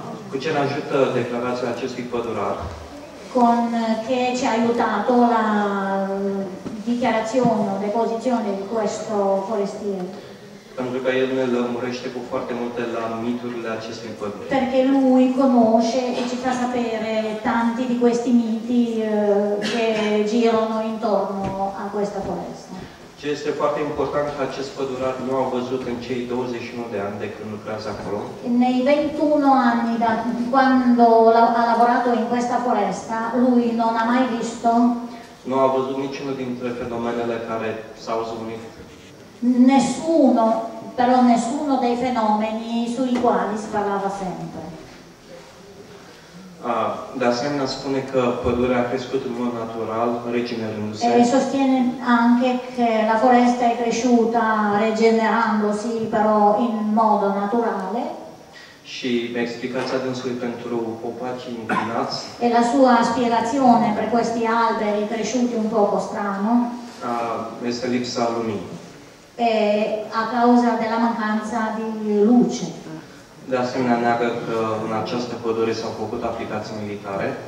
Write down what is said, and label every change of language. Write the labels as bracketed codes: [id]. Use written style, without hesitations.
[ro] Cu ce ne ajută declarația acestui pădurar? [it] Con che ci ha aiutato la dichiarazione, la deposizione di questo forestiere. [ro] Pentru că el ne lămurește cu foarte multe la miturile acestei păduri. [it] Perché lui conosce e ci fa sapere tanti di questi miti che girano intorno a questa foresta. [ro] Ce este foarte important că acest pădurar nu a văzut în cei 21 de ani de când lucrează acolo. [it] Nei 21 ani da quando ha lavorato in questa foresta, lui non ha mai visto. [ro] Nu a văzut niciunul dintre fenomenele care s-au zvonit. [it] Nessuno, però nessuno dei fenomeni sui quali si parlava sempre. [ro] De asemenea, spune că pădurea a crescut în mod natural, regenerându-se. [it] E sostiene anche che la foresta è cresciuta regenerandosi, però in modo naturale. [ro] Și explicația dânsului pentru copaci inclinați. [it] E la sua spiegazione per questi alberi cresciuti un poco strano. [ro] Este lipsa luminii. [it] E a causa della mancanza di luce. [ro] De asemenea, neagă că în această pădure s-au făcut aplicații militare.